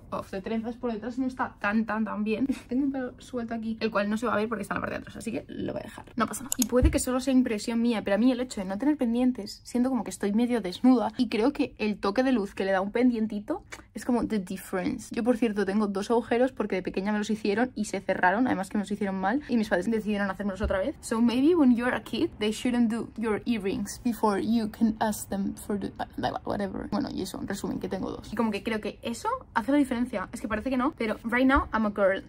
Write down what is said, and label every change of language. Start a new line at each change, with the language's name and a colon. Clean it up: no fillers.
Spanish: Off. De trenzas por detrás no está tan bien. Tengo un pelo suelto aquí, el cual no se va a ver porque está en la parte de atrás, así que lo voy a dejar. No pasa nada. Y puede que solo sea impresión mía, pero a mí el hecho de no tener pendientes, siento como que estoy medio desnuda. Y creo que el toque de luz que le da un pendientito es como
English: the difference.
Spanish: Yo, por cierto, tengo dos agujeros porque de pequeña me los hicieron y se cerraron. Además que me los hicieron mal y mis padres decidieron hacérmelos otra vez.
English: So maybe when you're a kid, they shouldn't do your earrings before you can ask them for the... whatever.
Spanish: Bueno, y eso, en resumen, que tengo dos. Y como que creo que eso hace la diferencia. Es que parece que no, pero
English: right now I'm a girl.